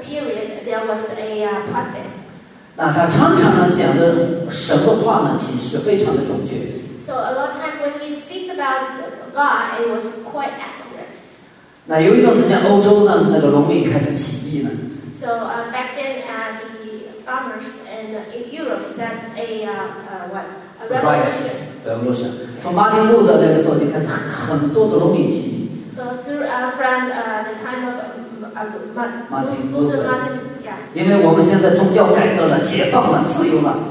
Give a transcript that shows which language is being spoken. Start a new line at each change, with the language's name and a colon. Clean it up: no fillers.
English: During the Renaissance period, there was a prophet.
Chinese: 那他常常呢讲的神的话呢，其实非常的准确。
English: So a lot of time when he speaks about God, it was quite accurate.
Chinese: 那有一段时间，欧洲呢那个农民开始起义呢。
English: So back then, the farmers in Europe started a revolution. Revolution.
Chinese: 从马丁路德那个时候就开始很多的农民起义。
English: So through the time of Martin Luther,
Chinese: 因为我们现在宗教改革了，解放了，自由了。